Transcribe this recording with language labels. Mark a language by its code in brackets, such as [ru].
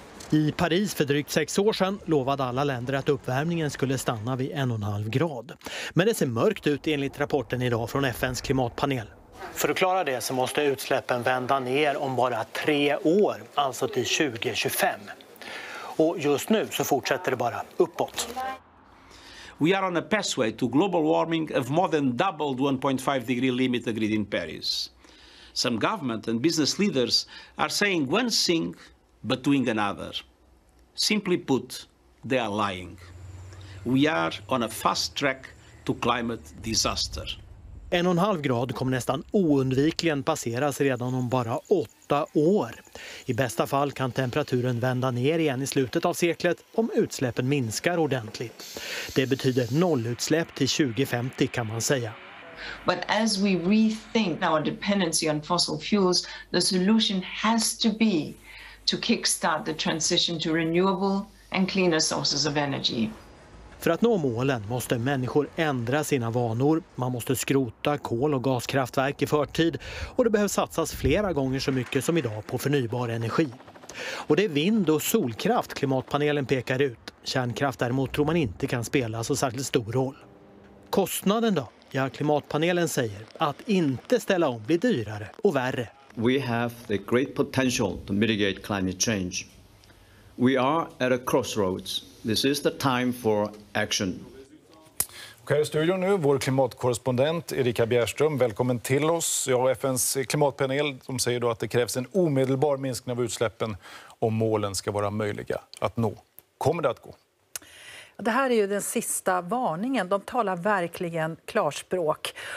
[sv] I Paris för drygt 6 år sedan lovade alla länder att uppvärmningen skulle stanna vid 1,5 grad. Men det ser mörkt ut enligt rapporten idag från FN:s klimatpanel. För att klara det så måste utsläppen vända ner om bara 3 år, alltså till 2025. Och just nu så fortsätter det bara uppåt. [en] We are on a pathway to global warming of more than doubled 1.5-degree limit agreed in Paris. Some government and business leaders are saying one thing but doing another. Simply put, they are lying. We are on a fast track to climate disaster. [sv] 1,5 grad kommer nästan oundvikligen passeras redan om bara 8 år. I bästa fall kan temperaturen vända ner igen i slutet av seklet om utsläppen minskar ordentligt. Det betyder nollutsläpp till 2050 kan man säga. [en] But as we rethink our dependency on fossil fuels, the solution has to be to kickstart the transition to renewable and cleaner sources of energy. [sv] För att nå målen måste människor ändra sina vanor. Man måste skrota kol- och gaskraftverk i förtid. Och det behövs satsas flera gånger så mycket som idag på förnybar energi. Och det är vind- och solkraft klimatpanelen pekar ut. Kärnkraft däremot tror man inte kan spela så särskilt stor roll. Kostnaden då? Ja, klimatpanelen säger att inte ställa om blir dyrare och värre. [en] We have the great potential to mitigate climate change. We are at a crossroads. This is the time for action. [sv] Okej, i studion nu vår klimatkorrespondent Erika Bjerström. Välkommen till oss. Jag och FN:s klimatpanel de säger då att det krävs en omedelbar minskning av utsläppen om målen ska vara möjliga att nå. Kommer det att gå? Det här är ju den sista varningen. De talar verkligen klarspråk.